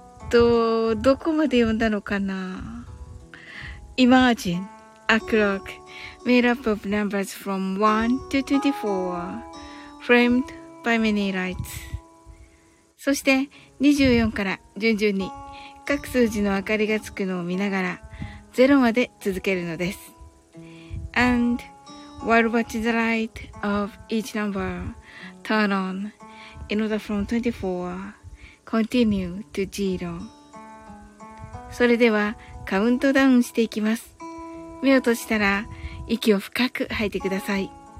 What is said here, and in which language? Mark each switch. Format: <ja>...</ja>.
<ja>どこまで読んだのかな ?</ja> <en>Imagine a clock made up of numbers from 1 to 24 framed by many lights.</en> <ja>そして24から順々に各数字の明かりがつくのを見ながら0まで続けるのです。</ja> <en>And while watching the light of each number turn on in order from 24, continue to zero.</en> <ja>それではカウントダウンしていきます。目を閉じたら息を深く吐いてください。</ja>